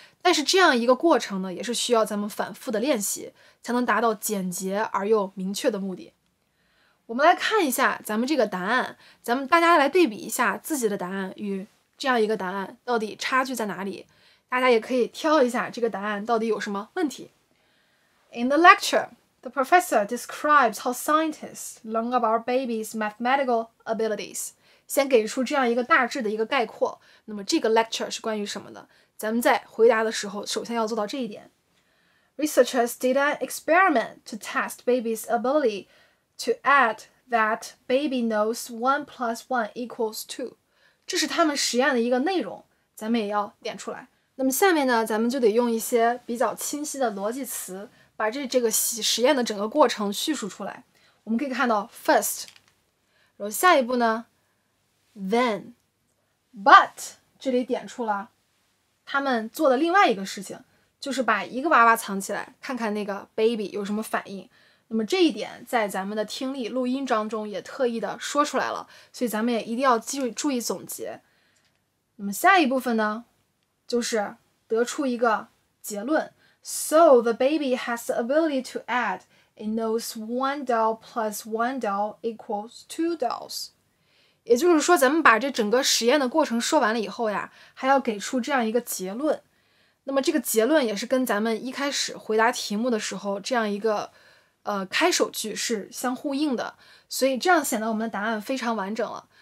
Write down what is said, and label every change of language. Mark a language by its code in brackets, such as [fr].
[zh] 但是这样一个过程呢，也是需要咱们反复的练习，才能达到简洁而又明确的目的。我们来看一下咱们这个答案，咱们大家来对比一下自己的答案与这样一个答案到底差距在哪里。大家也可以挑一下这个答案到底有什么问题。 [en] In the lecture,The professor describes how scientists learn about babies' mathematical abilities. [zh] 先给出这样一个大致的一个概括。那么这个 lecture 是关于什么的？咱们在回答的时候，首先要做到这一点。 [en] Researchers did an experiment to test babies' ability to add that baby knows 1 + 1 = 2. [zh] 这是他们实验的一个内容，咱们也要点出来。那么下面呢，咱们就得用一些比较清晰的逻辑词把这个实验的整个过程叙述出来。我们可以看到 first， 然后下一步呢 then， but 这里点出了他们做的另外一个事情，就是把一个娃娃藏起来，看看那个 baby 有什么反应。那么这一点在咱们的听力录音当中也特意的说出来了，所以咱们也一定要注意总结。那么下一部分呢，就是得出一个结论。 [en] So the baby has the ability to add. It knows 1 doll + 1 doll = 2 dolls. [zh] 也就是说，咱们把这整个实验的过程说完了以后呀，还要给出这样一个结论。那么这个结论也是跟咱们一开始回答题目的时候这样一个开首句是相呼应的，所以这样显得我们的答案非常完整了。